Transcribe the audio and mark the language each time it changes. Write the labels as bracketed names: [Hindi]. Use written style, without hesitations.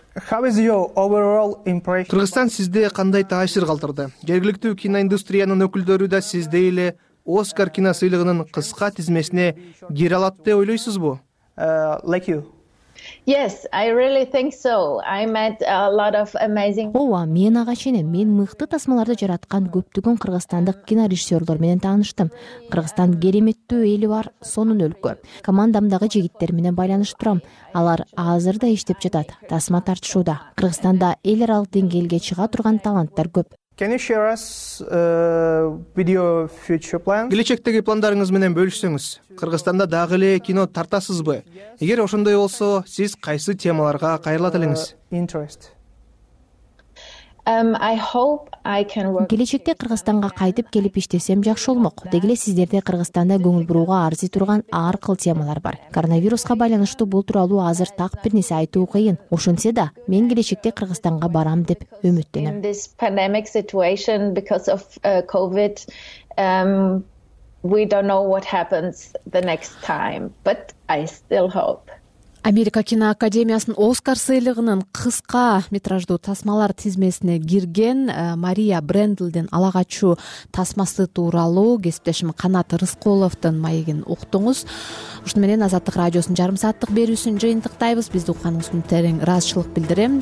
[English] How is your overall impression? [Kyrgyz] Кыргызстан сизде кандай таасир калтырды? Жергиликтүү киноиндустриянын өкүлдөрү да сизде эле Оскар киносыйлыгынын кыска тизмесине кире алат деп ойлойсузбу? [English] Like you. Yes, I really think so. I met a lot of amazing. [Kyrgyz] Ооба, мен ага ченем. Мен мыкты тасмаларды жараткан көптөгөн кыргызстандык кинорежиссёрлор менен тааныштым. Кыргызстан кереметтүү эли бар, сонун өлкө. Командамдагы жигиттер менен байланышып турам. Алар азыр да иштеп жатат. Тасма тартышууда. Кыргызстанда эл аралык деңгээлге чыга турган таланттар көп. [English] Can you share us with your future plans? [Kyrgyz] Келечектеги пландарыңыз менен бөлүшсөңүз. Кыргызстанда дагы эле кино тартасызбы? Эгер ошондой болсо, сиз кайсы темаларга кайрылат элеңиз? [English] Interest. I hope I can work. [Kyrgyz] Келечекте Кыргызстанга кайтып келип иштесем жакшы болмок. Дегеле сиздерде Кыргызстанда көңүл бурууга арзый турган ар кыл темалар бар. Коронавируска байланыштуу бул тууралуу азыр так бир нерсе айтуу кыйын. Ошентсе да, мен келечекте Кыргызстанга барам деп үмүттөнөм. [English] In this pandemic situation because of COVID we don't know what happens the next time, but I still hope. [Kyrgyz] Америка киноакадемиясынын Оскар сыйлыгынын кыска метраждуу тасмалар тизмесине кирген Мария Брендлдин ала качуу тасмасы тууралуу кесиптешим Канат Рыскуловдун маегин уктуңуз. Ушуну менен Азаттык радиосунун жарым сааттык берүүсүн жыйынтыктайбыз. Бизди укканыңыз үчүн терең ыраазычылык билдирем.